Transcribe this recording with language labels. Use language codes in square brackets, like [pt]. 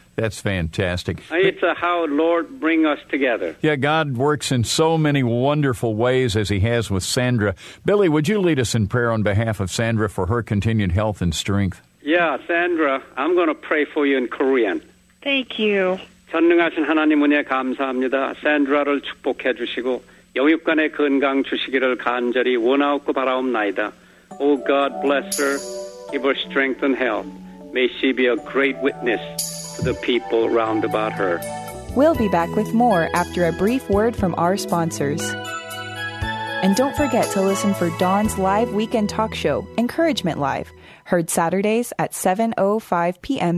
[en] That's fantastic. It's how Lord bring us together. Yeah, God works in so many wonderful ways as he has with Sandra. Billy, would you lead us in prayer on behalf of Sandra for her continued health and strength? Yeah, Sandra, I'm going to pray for you in Korean. Thank you. [ko] 전능하신 하나님 은혜 감사합니다. 샌드라를 축복해 주시고 영육간의 건강 주시기를 간절히 원하옵고 바라옵나이다. [en] Oh, God bless her. Give her strength and health. May she be a great witness to the people round about her. We'll be back with more after a brief word from our sponsors. And don't forget to listen for Dawn's live weekend talk show, Encouragement Live, heard Saturdays at 7:05 p.m.